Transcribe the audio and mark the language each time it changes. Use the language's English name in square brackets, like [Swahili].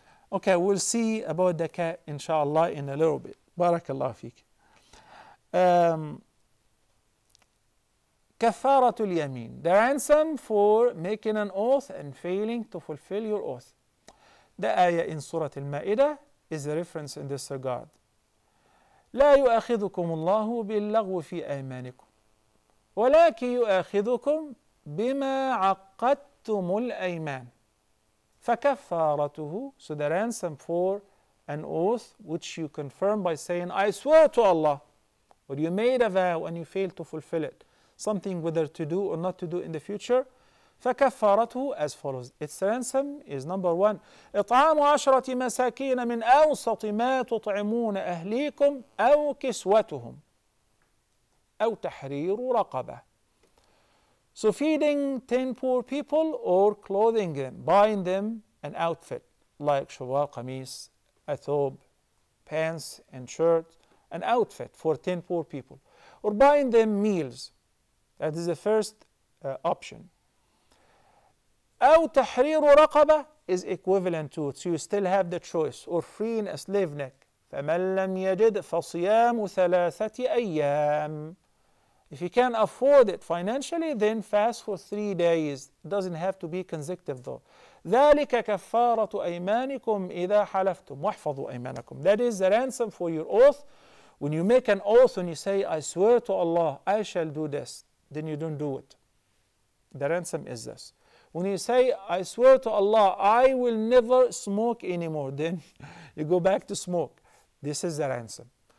[English] Okay, we'll see about the cat, inshallah, in a little bit. Barakallahu feek. Kafaratul yameen. The ransom for making an oath and failing to fulfill your oath. The ayah in Surah Al-Ma'idah is a reference in this regard. [Arabic] لا يؤخذكم الله باللغو في أيمانكم ولكن يؤخذكم بما عقدتم الأيمان فكفارته. [English] So the ransom for an oath which you confirm by saying I swear to Allah, or you made a vow and you failed to fulfill it, something whether to do or not to do in the future, فكفارته as follows. Its ransom is number one, [Arabic] إطعام عشرة مساكين من أوسط ما تطعمون أهليكم أو كسوتهم أو تحرير رقبة. [English] So feeding 10 poor people or clothing them, buying them an outfit like shawar, qamis, a thobe, pants and shirt, an outfit for 10 poor people, or buying them meals. That is the first option. [Arabic] أو تحرير رقبة [English] is equivalent to it. So you still have the choice. Or freeing a slave neck. [Arabic] فمن لم يجد فصيام ثلاثة أيام. [English] If you can afford it financially, then fast for 3 days. It doesn't have to be consecutive though. [Arabic] ذلك كفارة أيمانكم إذا حلفتم واحفظوا أيمانكم. [English] That is the ransom for your oath. When you make an oath and you say, I swear to Allah, I shall do this, then you don't do it. The ransom is this. When you say, I swear to Allah, I will never smoke anymore, then you go back to smoke. This is the ransom.